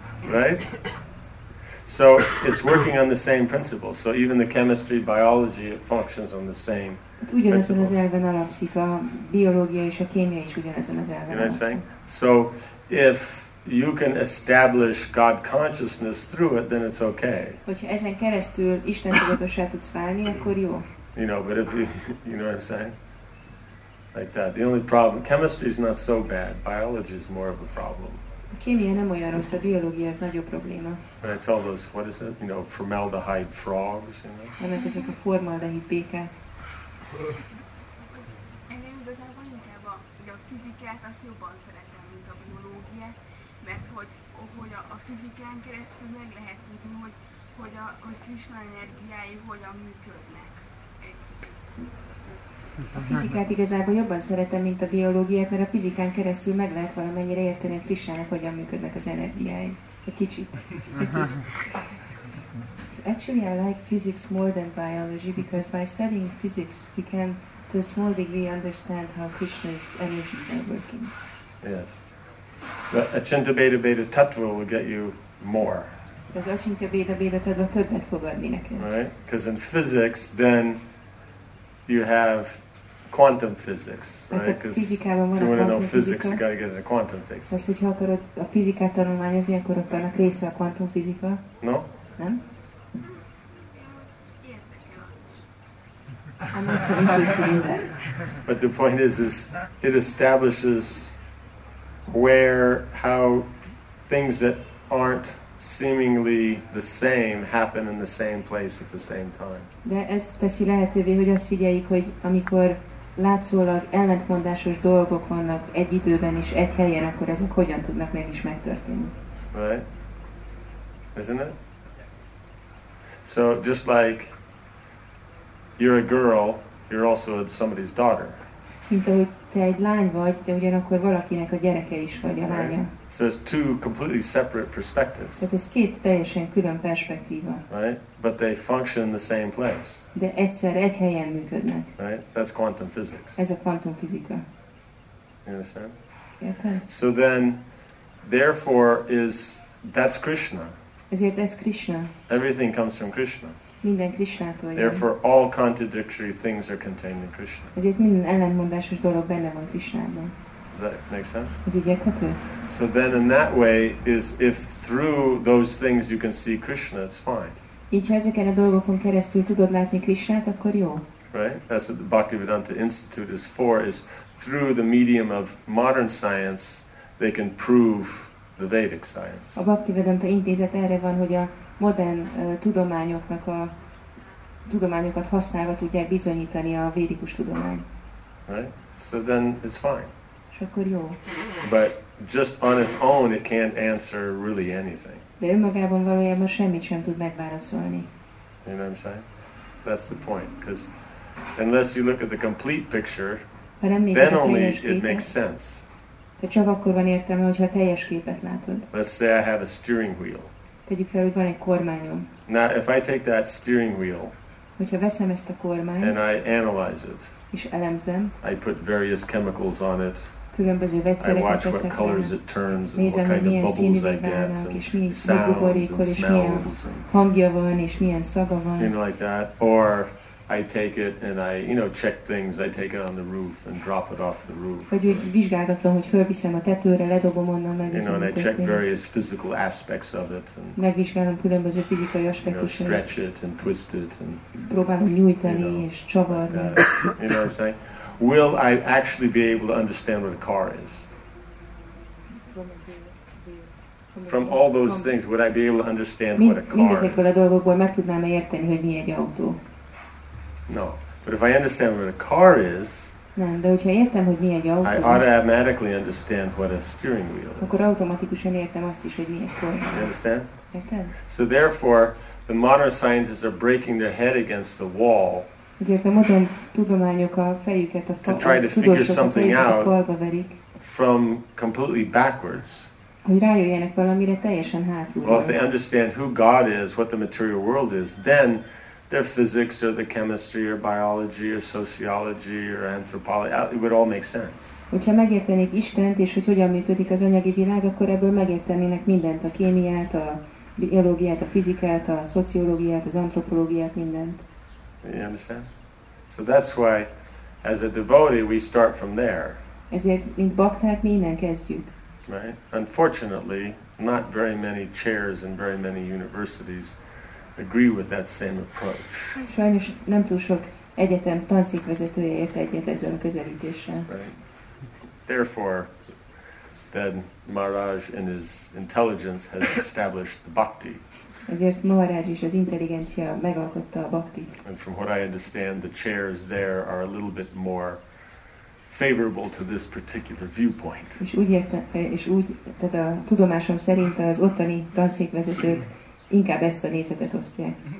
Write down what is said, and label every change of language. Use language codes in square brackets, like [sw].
[en] Right? So it's working on the same principle. So even the chemistry, biology, it functions on the same principle. [hu] Ugyanazon az elven alapszik, a biológia és a kémia is ugyanazon az elven. [en] You know what I'm saying? So if you can establish God consciousness through it, then it's okay. [hu] Hogyha ezen keresztül Isten tudatossá tudsz válni, akkor jó. [en] You know, but if you know what I'm saying? Like that. The only problem, chemistry is not so bad. Biology is more of a problem. [hu] A kémia nem olyan rossz, a biológia ez nagyobb probléma. [en] And it's all those, what is it? You know, formaldehyde frogs, you know? [hu] Ennek ezek a formaldehyde békák. Én igazából inkább a fizikát, azt jobban szeretem, mint a biológiát, mert hogy a fizikán keresztül meg lehet tudni, hogy Krishna energiái hogyan működnek. A fizikát igazából jobban szeretem, mint a biológiát, mert a fizikán keresztül meg lehet valamennyire érteni a Krisnának, hogyan működnek az energiái. Egy kicsit. [en] So actually, I like physics more than biology, because by studying physics, we can, to a small degree, understand how Krishna's energies are working. Yes. But Achintya Beda Beda Tattva will get you more. [hu] Az Achintya Beda Beda Tattva többet fog adni neked. [en] Right? Because in physics, then you have quantum physics, right? Because if you want to know physics, you got to get into quantum physics. [hu] Most, hogyha akarod a fizikát tanulmányozni, akkor ott annak része a quantum fizika. [en] No? [hu] Nem? [en] I'm not so interested in that. But the point is it establishes where, how things that aren't seemingly the same happen in the same place at the same time. [hu] De ez teszi lehetővé, hogy azt figyeljük, hogy amikor látszólag ellentmondásos dolgok vannak egy időben és egy helyen, akkor ezek hogyan tudnak meg is megtörténni. [en] Right? Isn't it? So just like you're a girl, you're also somebody's daughter. [hu] Mint ahogy te egy lány vagy, de ugyanakkor valakinek a gyereke is vagy, a lánya. [en] So it's two completely separate perspectives. [hu] Tehát ez két teljesen külön perspektíva. [en] Right? But they function in the same place. [hu] De egyszer egy helyen működnek. [en] Right? That's quantum physics. [hu] Ez a kvantum fizika. [en] You understand? So then, therefore, is that's Krishna. [hu] Ezért ez Krishna. [en] Everything comes from Krishna. [hu] Minden Krishnától jön. [en] Therefore, all contradictory things are contained in Krishna. [hu] Ezért minden ellentmondásos dolog benne van Krishnában. [en] Does that make sense? [hu] Ez így érthető? [en] So then, in that way, is if through those things you can see Krishna, it's fine. [hu] Így, ha ezeken a dolgokon keresztül tudod látni Krishnát, akkor jó. [en] Right? That's what the Bhaktivedanta Institute is for, is through the medium of modern science, they can prove the Vedic science. [hu] A Bhaktivedanta Intézet erre van, hogy a modern tudományoknak a tudományokat használva tudják bizonyítani a védikus tudomány. [en] Right? So then it's fine. [hu] És akkor jó. [en] But just on its own, it can't answer really anything. [hu] De önmagában valójában semmit sem tud megválaszolni. [en] You know what I'm saying? That's the point. Because unless you look at the complete picture, then only it makes sense. [hu] De csak akkor van értelme, hogyha teljes képet látod. [en] Let's say I have a steering wheel. [hu] Tegyük fel, hogy van egy kormányom. [en] Now, if I take that steering wheel, [hu] hogyha veszem ezt a kormányt, [en] and I analyze it, [hu] és elemzem, [en] I put various chemicals on it, [hu] különböző vegyszereket, [en] I watch what colors it turns, and [hu] nézem, [en] what kind of bubbles I get, [hu] és [en] and sounds, [hu] buborékol, és [en] smells, [hu] milyen hangja van, és milyen szaga van. [en] You know, like that. Or I take it and I, you know, check things. I take it on the roof and drop it off the roof. [hu] Vagy úgy vizsgálgatlan, hogy fölviszem a tetőre, ledobom onnan, megnézem. [en] You know, and I check various physical aspects of it. And, [hu] megvizsgálom különböző fizikai aspektusokat. [en] You know, stretch it and twist it and. [hu] Próbálom nyújtani, [en] you know, [hu] és csavarni. [en] You know what I'm saying? Will I actually be able to understand what a car is? From all those things, would I be able to understand what a car is? [hu] Mindezekből a dolgokból meg tudnám-e érteni, hogy mi egy autó? [en] No, but if I understand what a car is, [hu] nem, de hogyha értem, hogy mi egy autó, [en] I automatically understand what a steering wheel is. [hu] Akkor automatikusan értem azt is, hogy mi egy kormány. [en] You understand? [hu] Értem. [en] So therefore, the modern scientists are breaking their head against the wall. [hu] Ezért a modern tudományok a fejüket a [en] to try to figure something out [hu] verik, [en] from completely backwards. [hu] Hogy rájöjjenek valamire teljesen hátulról. [en] Well, if they understand who God is, what the material world is, then their physics or the chemistry or biology or sociology or anthropology, it would all make sense. [hu] Hogyha megértenék Istent, és hogy hogyan működik az anyagi világ, akkor ebből megértenének mindent, a kémiát, a biológiát, a fizikát, a szociológiát, az antropológiát, mindent. [en] You understand? So that's why, as a devotee, we start from there. [hu] Ezért, mint bakták, mi innen kezdjük. [en] Right? Unfortunately, not very many chairs in very many universities agree with that same approach. [hu] Sajnos nem túl sok egyetem tanszékvezetője ért egyet ezzel a közelítéssel. [en] Therefore, then Maharaj in his intelligence has established the bhakti. [hu] Ezért Maharaj is az intelligencia megalkotta a bhaktit. [en] And from what I understand, the chairs there are a little bit more favorable to this particular viewpoint. [hu] És úgy értem, és úgy, tehát a tudomásom szerint az ottani tanszékvezetők inkább ezt a nézetet osztják.